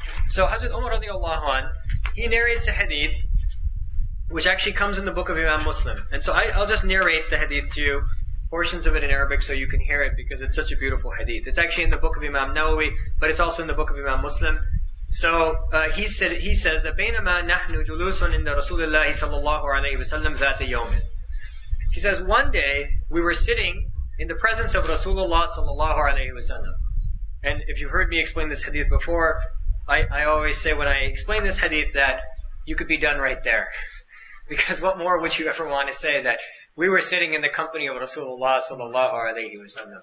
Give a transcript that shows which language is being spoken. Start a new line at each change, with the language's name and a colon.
English: So Hazrat Umar radiallahu an, he narrates a hadith which actually comes in the book of Imam Muslim. And so I'll just narrate the hadith to you, portions of it in Arabic so you can hear it, because it's such a beautiful hadith. It's actually in the book of Imam Nawawi, but it's also in the book of Imam Muslim. So he says that
Arabic: بَيْنَمَا نَحْنُ جُلُوسٌ إِنَّ رَسُولِ اللَّهِ صَلَّى اللَّهُ عَلَيْهِ وَسَلَّمْ ذَاتَ يَوْمٍ.
English: He says, one day we were sitting in the presence of Rasulullah sallallahu alayhi wa sallam. And if you've heard me explain this hadith before, I always say when I explain this hadith that you could be done right there. Because what more would you ever want to say that we were sitting in the company of Rasulullah sallallahu alayhi wa sallam.